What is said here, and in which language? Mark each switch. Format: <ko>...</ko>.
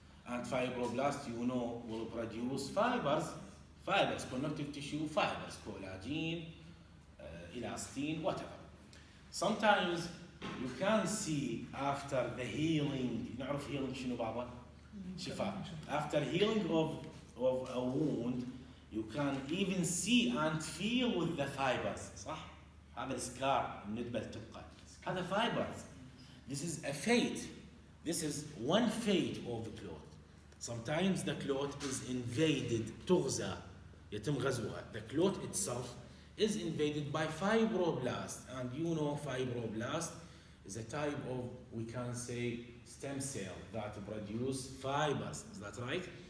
<en>And fibroblasts, you know, will produce fibers, fibers, connective tissue fibers, collagen, elastin, whatever. Sometimes you can see after the healing,</en> <ar>نعرف healing شنو بابا؟ شفاء.</ar> <en>After healing of a wound, you can even see and feel with the fibers.</en> <ar>صح؟ هذا السكار الندبة تبقى. هذا</ar> <en>fibers. This is a fate. This is one fate of the clot. Sometimes the clot is invaded,</en> <ar>تغزى. يتم غزوها.</ar> <en>The clot itself. Is invaded by fibroblast, and you know fibroblast is a type of we can say stem cell that produce fibers. Is that right?</en>